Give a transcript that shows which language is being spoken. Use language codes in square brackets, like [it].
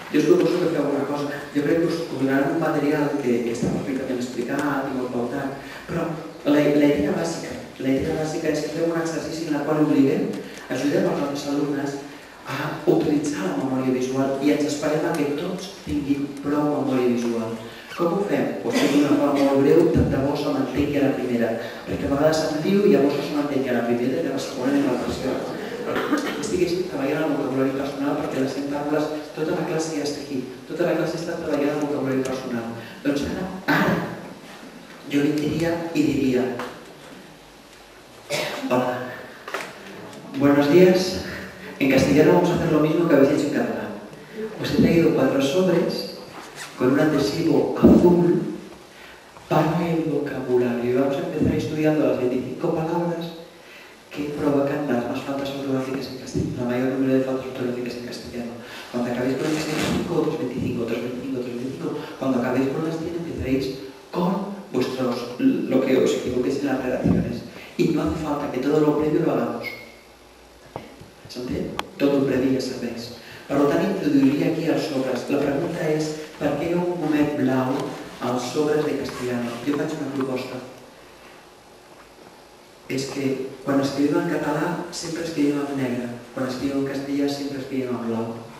[ca] Jo us proposo que feu una cosa, jo crec que us donaran un material que està perfectament explicat i molt pautat, però la idea bàsica és que feu un exercici en el qual obliguem, ajudem els nostres alumnes a utilitzar la memòria visual i ens esperem que tots tinguin prou memòria visual. Com ho fem? Pues fem una cosa molt breu, tant de bo se m'entengui a la primera, perquè a vegades se'm diu i llavors se m'entengui a la primera i a la segona i a la tercera. Estigués treballant el vocabulari personal perquè les cintables, tota la classe ja està aquí, tota la classe està treballant el vocabulari personal. Doncs ara jo li diria i diria, [es] hola, buenos días, en castellano vamos a hacer lo mismo que habéis hecho en catalán. Os he traído 4 sobres con un adhesivo azul para el vocabulario. Y vamos a empezar estudiando las 25 palabras que provocan las más faltas ortográficas en castellano, la mayor número de faltas ortográficas en castellano. Cuando acabéis con las 25, otros 25, otros 25, otros 25, cuando acabéis con las 100, empezaréis con vuestros, lo que os equivoquéis en las redacciones. Y no hace falta que todo lo previo lo hagamos. [ca] ¿S'entén? [es] Todo el previo ya sabéis. [ca] Per tant, introduiria aquí els sobres. La pregunta és, per què un gomet blau als sobres de castellano? Jo faig una proposta. És que quan escrivim en català sempre escrivim en negre, quan escrivim en castellà sempre escrivim en blau.